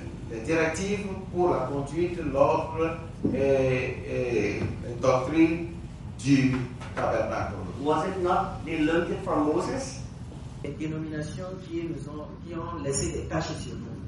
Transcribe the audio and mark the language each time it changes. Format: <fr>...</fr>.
<fr>les directives pour la conduite, l'ordre et la doctrine du tabernacle.</fr> <en>Was it not they learned it from Moses?</en> <fr>Les dénominations qui ont laissé des taches sur nous.</fr>